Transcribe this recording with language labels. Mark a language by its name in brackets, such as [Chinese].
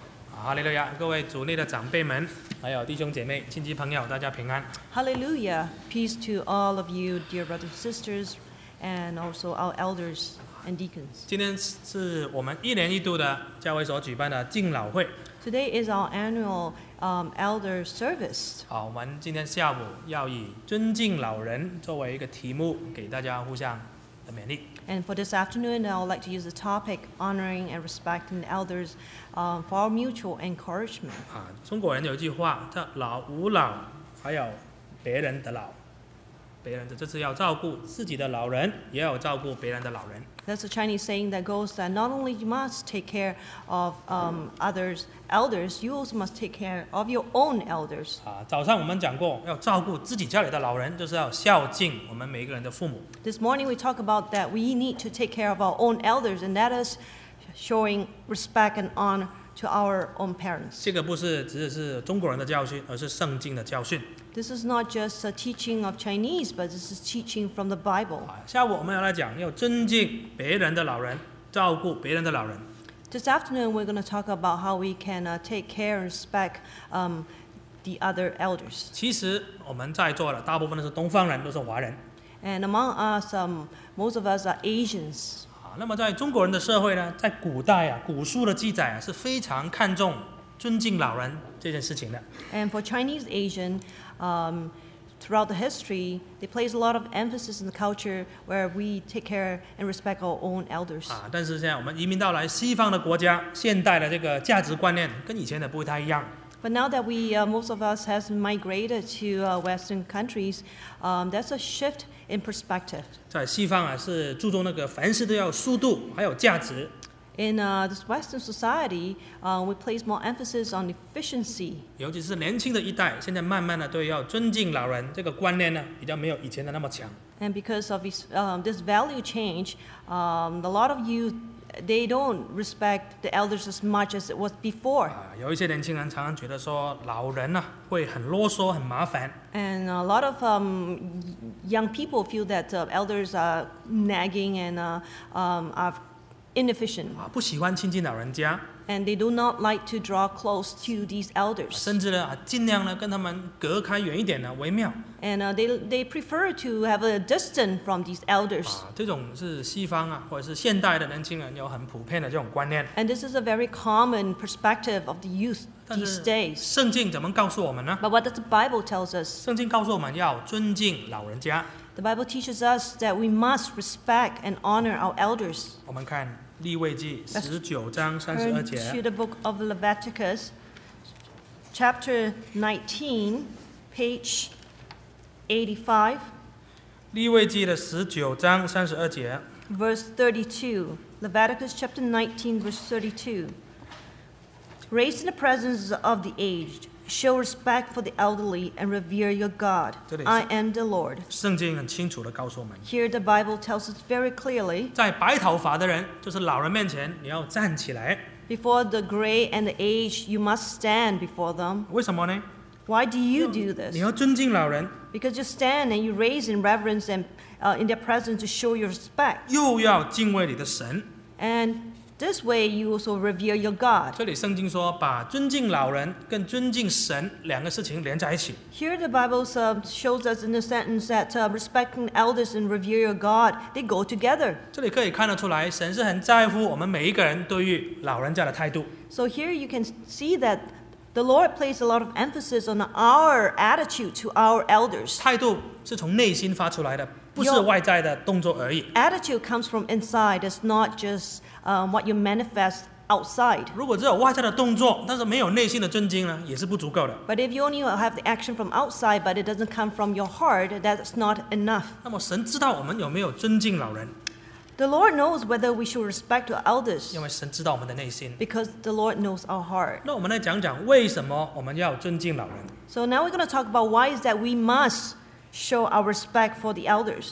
[Chinese] 哈利路亚，各位主内的长辈们，还有弟兄姐妹、亲戚朋友，大家平安。 [English] Hallelujah, peace to all of you, dear brothers and sisters, and also our elders and deacons. [Chinese] 今天是我们一年一度的教会所举办的敬老会。 [English] Today is our annual elder service. [Chinese] 好，我们今天下午要以尊敬老人作为一个题目，给大家互相的勉励。 [English] And for this afternoon, I would like to use the topic honoring and respecting the elders for mutual encouragement. [Chinese] 中国人有句话叫老吾老，还有别人的老。别人的就是要照顾自己的老人，也要照顾别人的老人。 [English] That's a Chinese saying that goes that not only you must take care of others, elders, you also must take care of your own elders. [Chinese] 早上我们讲过要照顾自己家里的老人，就是要孝敬我们每一个人的父母。 [English] This morning we talk about that we need to take care of our own elders, and that is showing respect and honor to our own parents. [Chinese] 这个不是只是中国人的教训，而是圣经的教训。 [English] This is not just a teaching of Chinese, but this is teaching from the Bible. [Chinese] 下午我们要来讲，要尊敬别人的老人，照顾别人的老人。 [English] This afternoon, we're going to talk about how we can take care and respect the other elders. [Chinese] 其实我们在座的大部分都是东方人，都是华人。 [English] And among us, most of us are Asians. [Chinese] 那么在中国人的社会呢，在古代啊，古书的记载啊，是非常看重尊敬老人这件事情的。 [English] And for Chinese Asian, throughout the history, they place a lot of emphasis in the culture where we take care and respect our own elders. [Chinese] 但是现在我们移民到来西方的国家，现代的这个价值观念跟以前的不太一样。 [English] But now that we, most of us has migrated to Western countries, that's a shift in perspective. [Chinese] 在西方啊，是注重那个凡事都要速度，还有价值。 [English] In this Western society, we place more emphasis on efficiency. [Chinese] 尤其是年轻的一代，现在慢慢的对要尊敬老人这个观念呢，比较没有以前的那么强。 [English] And because of this, this value change, a lot of youth they don't respect the elders as much as it was before. [Chinese] 有一些年轻人常常觉得说老人呢、啊、会很啰嗦、很麻烦。 [English] And a lot of young people feel that elders are nagging and are inefficient. [Chinese] 不喜欢亲近老人家。 [English] And they do not like to draw close to these elders. [Chinese] 甚至呢，尽量呢跟他们隔开远一点呢为妙。 [English] And they prefer to have a distance from these elders. [Chinese] 这种是西方啊，或者是现代的年轻人有很普遍的这种观念。 [English] And this is a very common perspective of the youth these days. [Chinese] 圣经怎么告诉我们呢 [English] ？But what does the Bible tells us? [Chinese] 圣经告诉我们要尊敬老人家。 [English] The Bible teaches us that we must respect and honor our elders. [Chinese] 我们看利未记十九章三十二节。 [English] Turn to the book of Leviticus, chapter 19, page 85. [Chinese] 利未记的十九章三十二节。 [English] Verse 32, Leviticus chapter 19, verse 32. Raised in the presence of the aged. Show respect for the elderly and revere your God. I am the Lord. [Chinese] 圣经很清楚地告诉我们。 [English] Here the Bible tells us very clearly. [Chinese] 在白头发的人，就是老人面前，你要站起来。 [English] Before the gray and the aged, you must stand before them. [Chinese] 为什么呢？ [English] Why do you do this? [Chinese] 你要尊敬老人。 [English] Because you stand and you raise in reverence and in their presence to show your respect. [Chinese] 又要敬畏你的神。 [English] And This way, you also revere your God. [Chinese] 这里圣经说，把尊敬老人跟尊敬神两个事情连在一起。 [English] Here, the Bible shows us in the sentence that respecting elders and revere your God, they go together. [Chinese] 这里可以看得出来，神是很在乎我们每一个人对于老人家的态度。 [English] So here, you can see that the Lord places a lot of emphasis on our attitude to our elders. [Chinese] 态度是从内心发出来的，不是外在的动作而已。 [English] Attitude comes from inside. It's not just what you manifest outside. [Chinese] 如果只有外在的动作，但是没有内心的尊敬呢，也是不足够的。 [English] But if you only have the action from outside, but it doesn't come from your heart, that's not enough. [Chinese] 那么神知道我们有没有尊敬老人。 [English] The Lord knows whether we should respect our elders. [Chinese] 因为神知道我们的内心。 [English] Because the Lord knows our heart. [Chinese] 那我们来讲讲为什么我们要尊敬老人。 [English] So now we're going to talk about why is that we must show our respect for the elders.